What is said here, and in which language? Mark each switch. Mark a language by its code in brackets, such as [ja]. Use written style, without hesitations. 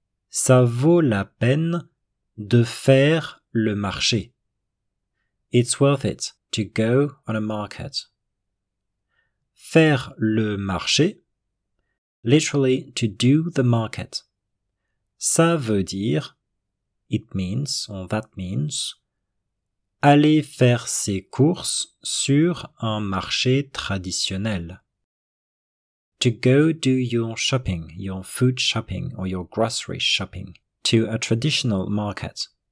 [fr] Ça vaut la peine de faire le marché. [en] It's worth it to go on a market. [fr] Faire le marché, [en] literally to do the market. [fr] Ça veut dire, [en] it means or that means, [fr] aller faire ses courses sur un marché traditionnel. [en] To go do your shopping, your food shopping or your grocery shopping to a traditional market.